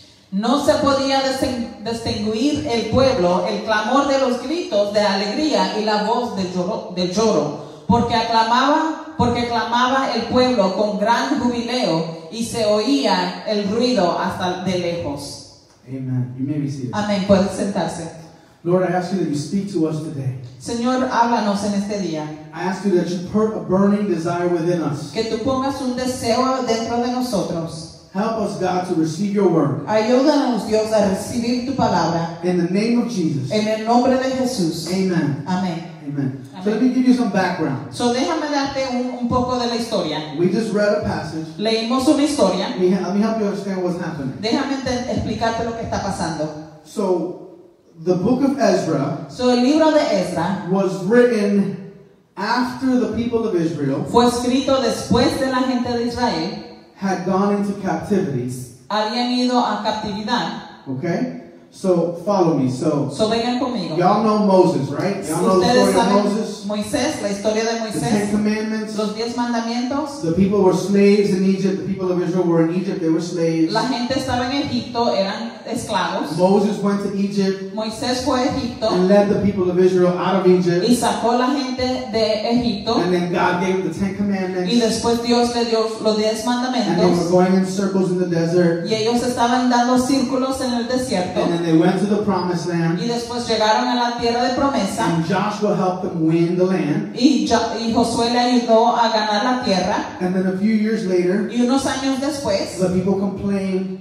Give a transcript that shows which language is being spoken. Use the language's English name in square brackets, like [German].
[Spanish] No se podía distinguir el pueblo, el clamor de los gritos de alegría y la voz de lloro, porque clamaba el pueblo con gran jubileo y se oía el ruido hasta de lejos. [English] Amen. You may be seated. [Spanish] Amén. Puedes sentarse. [English] Lord, I ask you that you speak to us today. [Spanish] Señor, háblanos en este día. [English] I ask you that you put a burning desire within us. [Spanish] Que tú pongas un deseo dentro de nosotros. [English] Help us, God, to receive your word. [Spanish] Ayúdanos, Dios, a recibir tu palabra. [English] In the name of Jesus. [Spanish] En el nombre de Jesús. [English] Amen. [Spanish] Amén. [English] Amen. So let me give you some background. [Spanish] So déjame darte un poco de la historia. [English] We just read a passage. [Spanish] Leímos una historia. [English] Let me help you understand what's happening. [Spanish] Déjame explicarte lo que está pasando. [English] So the book of Ezra. [Spanish] So el libro de Ezra [English] was written after the people of Israel. [Spanish] Fue escrito después de la gente de Israel. [English] Had gone into captivities. [Spanish] Habían ido a captividad. [English] Okay. So follow me. So [Spanish] vengan conmigo. [English] Y'all know Moses, right? Y'all know the story of Moses. [Spanish] Moisés, la historia de Moisés. [English] The Ten Commandments. [Spanish] Los diez mandamientos. [English] The people were slaves in Egypt. The people of Israel were in Egypt. They were slaves. [Spanish] La gente estaba en Egipto, eran esclavos. [English] Moses went to Egypt. [Spanish] Moisés fue a Egipto. [English] And led the people of Israel out of Egypt. [Spanish] Y sacó la gente de Egipto. [English] And then God gave them the Ten Commandments. [Spanish] Y después Dios le dio los diez mandamientos. [English] And they were going in circles in the desert. [Spanish] Y ellos estaban dando círculos en el desierto. [English] And they went to the promised land. [Spanish] Y después llegaron a la tierra de promesa. [English] And Joshua helped them win the land. [Spanish] Y Josué le ayudó a ganar la tierra. [English] And then a few years later, [Spanish] y unos años después, [English] the people complained.